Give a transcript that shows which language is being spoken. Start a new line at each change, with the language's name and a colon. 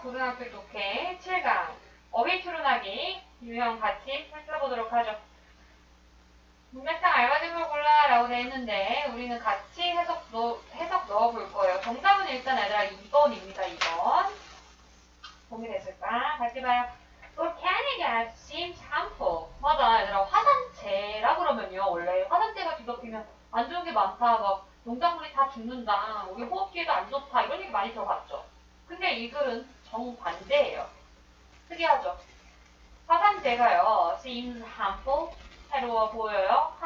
Korean: 고등학교 독해 7강 어휘 추론하기 유형 같이 살펴보도록 하죠. 문맥상 알맞은 걸 골라라고 돼 있는데 우리는 같이 해석 넣어볼 거예요. 정답은 일단 얘들아 2번입니다. 2번. 도움이 됐을까? 같이 봐요.
English: Volcanic ash seems harmful.
Korean: 맞아. 얘들아 화산재라 그러면요. 원래 화산재가 뒤덮이면 안 좋은 게 많다. 막 농작물이 다 죽는다. 우리 호흡기에도 안 좋다. 이런 얘기 많이 들어봤죠. 근데 이 글은 정반대예요. 특이하죠? 화산재가요,
English: seems harmful,
Korean: 해로워 보여요.